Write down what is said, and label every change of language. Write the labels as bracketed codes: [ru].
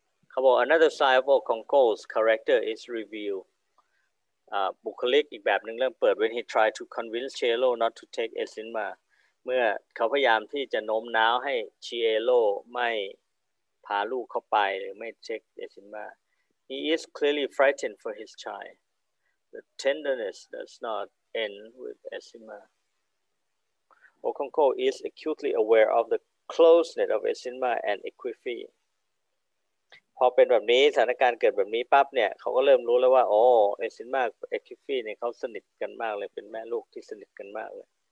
[th] เขาบอก [en] another side of Okonkwo's character is revealed [th] บุคลิกอีกแบบนึงเริ่มเปิด [en] when he tried to convince Chiello not to take Esinma [th] เมื่อเขาพยายามที่จะโน้มน้าวให้ [en] Chiello [th] ไม่พาลูกเข้าไปหรือไม่ [en] take Esinma he is clearly frightened for his childThe tenderness does not end with Esinma. Okonkwo is acutely aware of the closeness of Esinma and Ekwifi. [th] พอเป็นแบบนี้สถานการณ์เกิดแบบนี้ปั๊บเนี่ยเขาก็เริ่มรู้แล้วว่าโอ้ Esinma กับ Ekwifi เนี่ยเขาสนิทกันมากเลยเป็นแม่ลูกที่สนิทกันมากเลย